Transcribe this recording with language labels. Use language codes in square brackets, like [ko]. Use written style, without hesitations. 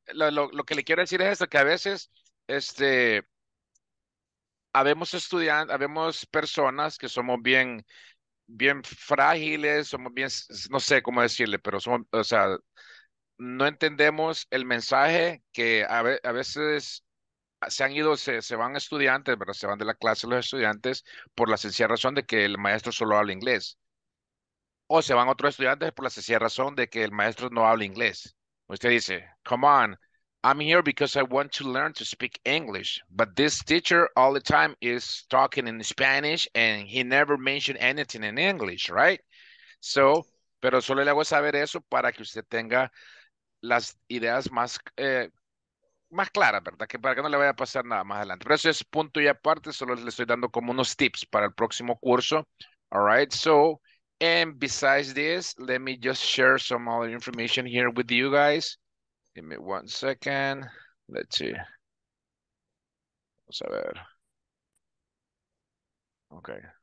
[es] Lo que le quiero decir es esto, que a veces, habemos personas que somos bien, bien frágiles, somos bien, no sé cómo decirle, pero somos, o sea, no entendemos el mensaje que a veces... Se van estudiantes, ¿verdad? Se van de la clase los estudiantes por la sencilla razón de que el maestro solo habla inglés. O se van otros estudiantes por la sencilla razón de que el maestro no habla inglés. Usted dice, [en] come on, I'm here because I want to learn to speak English. But this teacher all the time is talking in Spanish and he never mentioned anything in English, right? [es] So, pero solo le hago saber eso para que usted tenga las ideas más... más clara, ¿verdad? Que para que no le vaya a pasar nada más adelante. Pero eso es punto y aparte, solo le estoy dando como unos tips para el próximo curso. [en] All right, so, and besides this, let me just share some other information here with you guys. Give me one second. Let's see. [es] Vamos a ver. [en] Okay.